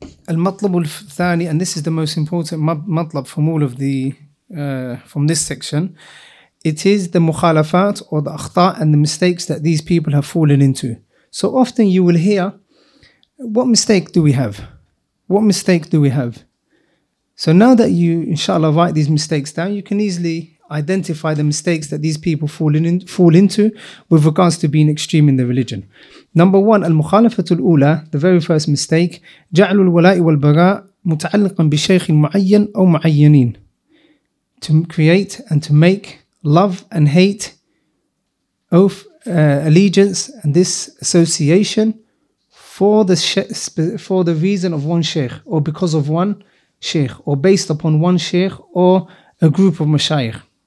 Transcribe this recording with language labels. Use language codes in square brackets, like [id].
[ar] المطلب الثاني, [en] and this is the most important مطلب from all of the from this section, it is the مخالفات or the أخطاء and the mistakes that these people have fallen into. So often you will hear, what mistake do we have? What mistake do we have? So now that you, inshallah, write these mistakes down, you can easily identify the mistakes that these people fall into with regards to being extreme in the religion. Number one, [ar] المخالفة الأولى, [en] the very first mistake, [ar] جعل الولاء والبراء متعلقا بشيخ معين أو معينين. [en] To create and to make love and hate, oath, allegiance, and this association for the reason of one sheikh, or because of one sheikh, or based upon one sheikh, or a group of mashayikh.